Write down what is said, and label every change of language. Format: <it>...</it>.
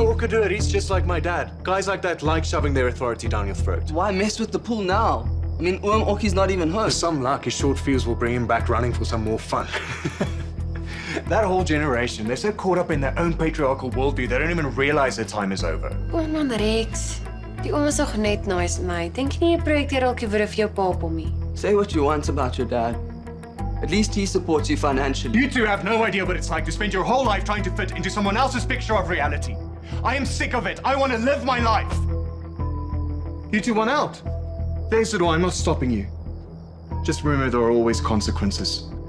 <en>Oh, Okadura, he's just like my dad. Guys like that like shoving their authority down your throat. Why mess with the pool now? I mean, Oom Oki's not even hurt. For some luck, his short fuse will bring him back running for some more fun. That whole generation, they're so caught up in their own patriarchal worldview, they don't even realize their time is over.</en> <af>Oh man, Rex. Die oom is nog net nice to my. Denk nie jy projekteer elke woord of jou pa op hom nie.</af> <en>Say what you want about your dad. At least he supports you financially. You two have no idea what it's like to spend your whole life trying to fit into someone else's picture of reality. I am sick of it. I want to live my life. You two want out. Face it or I'm not stopping you. Just remember there are always consequences.</en>